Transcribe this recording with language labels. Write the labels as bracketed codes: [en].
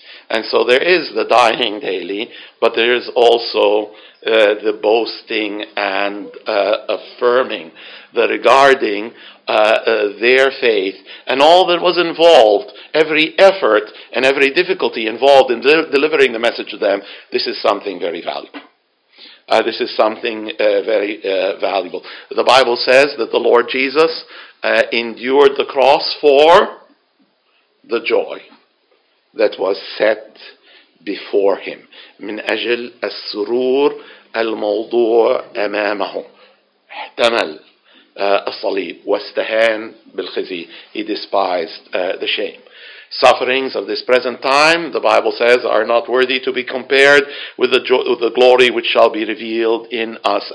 [en] And so there is the dying daily, but there is also the boasting and affirming, the regarding their faith and all that was involved, every effort and every difficulty involved in delivering the message to them. This is something very valuable. The Bible says that the Lord Jesus endured the cross for the joy that was set before him. [ar] من أجل السرور الموضوع أمامه احتمل الصليب واستهان بالخزي. [en] He despised the shame. Sufferings of this present time, the Bible says, are not worthy to be compared with the glory which shall be revealed in us.